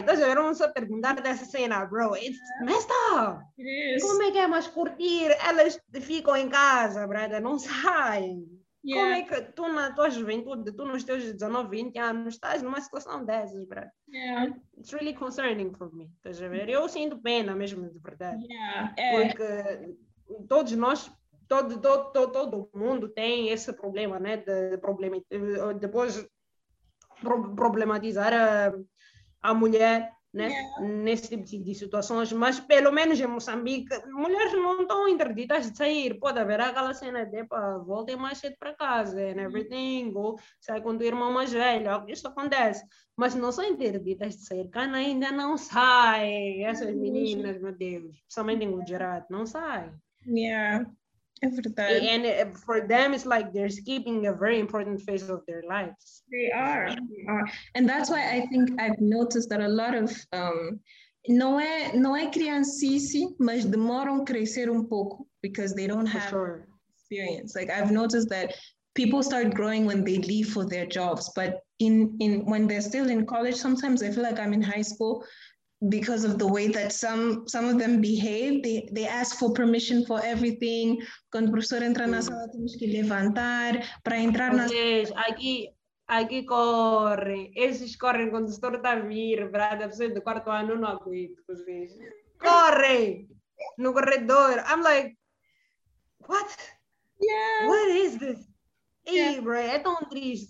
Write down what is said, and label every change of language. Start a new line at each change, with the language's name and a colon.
Portuguese: Estás a ver uma pessoa perguntar dessa cena, bro?
English: It's messed up! It is.
Portuguese: Como é que é mais curtir? Elas ficam em casa, brother, não saem.
English: Yeah.
Portuguese: Como é que tu na tua juventude, tu nos teus 19, 20 anos, estás numa situação dessas, brother?
English: Yeah. It's really concerning for me,
Portuguese: estás a ver? Eu sinto pena mesmo, de verdade.
English: Yeah.
Portuguese: Porque todos nós, todo mundo tem esse problema, né? De problema, depois problematizar a mulher, né?
English: Yeah.
Portuguese: Nesse tipo de situações, mas pelo menos em Moçambique, mulheres não estão interditas de sair. Pode haver aquela cena de voltem mais cedo para casa,
English: and everything,
Portuguese: ou sai com o irmão mais velho. Isso acontece, mas não são interditas de sair. Cana ainda não sai. Essas meninas, meu Deus, principalmente em Gujarat, não sai. Yeah, é verdade.
English: And for them, it's like they're skipping a very important phase of their lives. They are. And that's why I think I've noticed that a lot of,
Portuguese: não é criancice, mas demoram crescer um pouco,
English: because they don't have experience. Like, I've noticed that people start growing when they leave for their jobs, but in when they're still in college, sometimes I feel like I'm in high school, because of the way that some of them behave, they ask for permission for everything.
Portuguese: Quando o professor entra na sala, temos que levantar para entrar na sala. Aqui corre, esses correm quando o setor está a vir, brada, pessoa do quarto ano, não aguento, vocês. Corre! No corredor.
English: I'm like, what? Yeah. What is this? Yeah. Ei, bro,
Portuguese: é tão triste.